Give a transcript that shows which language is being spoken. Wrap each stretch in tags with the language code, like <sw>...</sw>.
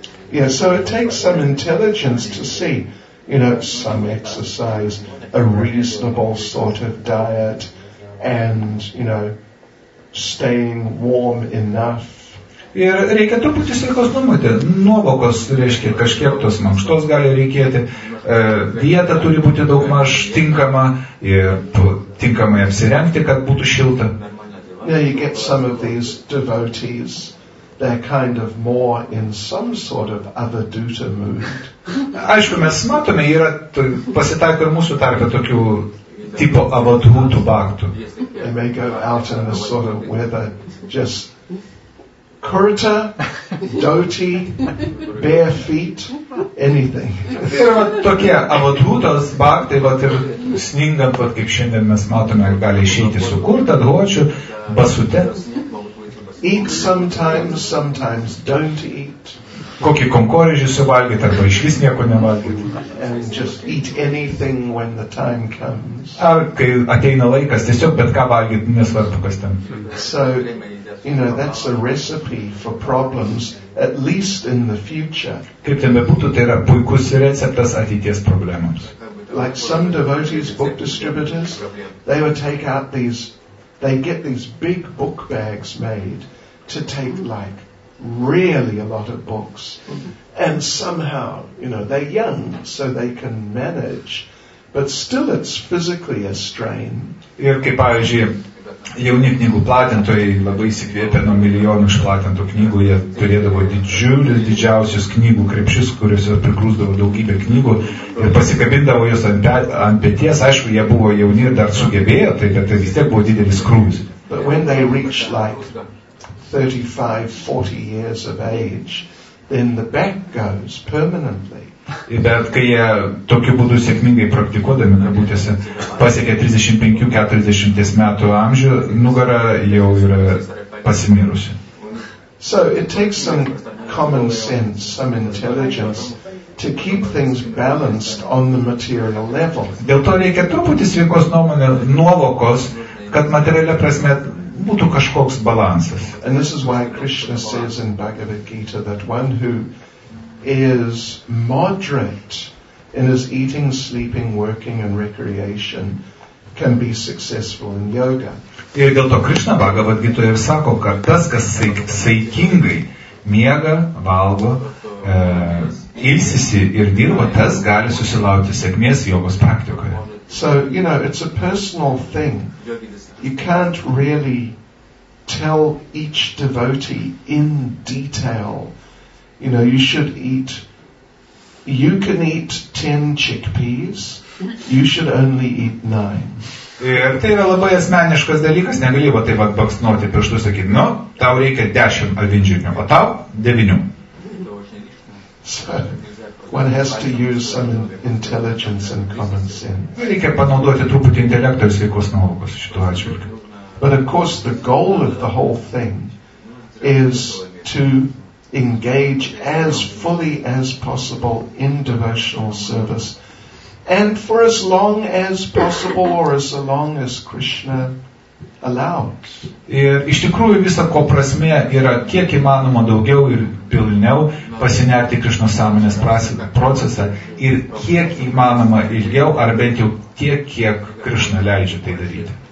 <en>Yeah, so it takes some intelligence to see, you know, some exercise, a reasonable sort of diet, and, you know, staying warm enough.</en> <lt>Ir reikia truputį sveikos numatę, nuovokos, reiškia, kažkiek tos mankštos gali reikėti, vieta turi būti daug maž tinkama, ir tinkamai apsirengti, kad būtų šilta.</lt> <en>Yeah, you get some of these devotees, they're kind of more in some sort of avaduta mood.</en> <lt>Aišku, mes matome, yra pasitaiko ir mūsų tarpe tokių tipo avadhutų bhaktų.</lt> <en>They may go out in a sort of weather, just kurta, dhoti, bare feet, anything.</en> <lt>Ir va tokie avadhutos bhaktai, va ir sningant, va kaip šiandien mes matome, gali išeiti su kurta, dhočiu, basute.</lt> <en>Eat sometimes, sometimes don't eat.</en> <lt>Kokį konkorėžį suvalgyti, arba iš vis nieko nevalgyti.</lt> <en>And just eat anything when the time comes.</en> <lt>Ar kai ateina laikas, tiesiog bet ką valgyti, nesvarbu kas ten.</lt> <en>So, you know, that's a recipe for problems, at least in the future.</en> <lt>Kaip ten bebūtų, tai yra puikus receptas ateities problemams.</lt> <en>Like some devotees, book distributors, they would take out these, they get these big book bags made to take like really a lot of books. And somehow, you know, they're young, so they can manage. But still it's physically a strain.</en> <lt>Ir kaip pavyzdžiui, jauni knygų platintojai labai įsikvėpė nuo milijonų išplatintų knygų, jie turėdavo didžiulius, didžiausius knygų krepšius, kuriuose prigrūsdavo daugybę knygų ir pasikabindavo jos ant pėties, aišku, jie buvo jauni ir dar sugebėjo, tai bet tai vis tiek buvo didelis krūvis.</lt> <en>But when they reach like 35-40 years of age, then the back goes permanently.</en> <lt>Bet kai jie tokiu būdu sėkmingai praktikuodami, kad būtėse pasiekia 35-40 metų amžių, nugara jau yra pasimirusi.</lt> <en>So it takes some common sense, some intelligence to keep things balanced on the material level.</en> <lt>Dėl to reikia truputį sveikos nuovokos, kad materialia prasme būtų kažkoks balansas.</lt> <en>And this is why Krishna says in Bhagavad Gita that one who is moderate in his eating, sleeping, working and recreation can be successful in yoga.</en> <lt>Ir dėl to Krishna Bhagavad Gita ir sako, kad tas, kas saikingai miega, valgo, ilsisi ir dirba, tas gali susilaukti sėkmės jogos praktikoje.</lt> <en>So, you know, it's a personal thing. You can't really tell each devotee in detail. You know, you should eat, you can eat 10 chickpeas, you should only eat 9.</en> <lt>Ir tai yra labai asmeniškas dalykas, negali va taip pat baksnuoti pirštus, sakyti, nu, tau reikia 10 avinžirnių, o tau 9.</lt> <en>So, one has to use some intelligence and common sense.</en> <lt>Reikia panaudoti truputį intelektą ir sveikos nuovokos šituo atžvilgiu.</lt> <en>But of course, the goal of the whole thing is to engage as fully as possible in devotional service and for as long as possible or as long as Krishna allows.</en> <lt>Ir iš tikrųjų visa ko prasmė yra kiek įmanoma daugiau ir pilniau pasinerti Krishna sąmonės prasme procesą ir kiek įmanoma ilgiau ar bent jau tiek, kiek Krishna leidžia tai daryti.</lt>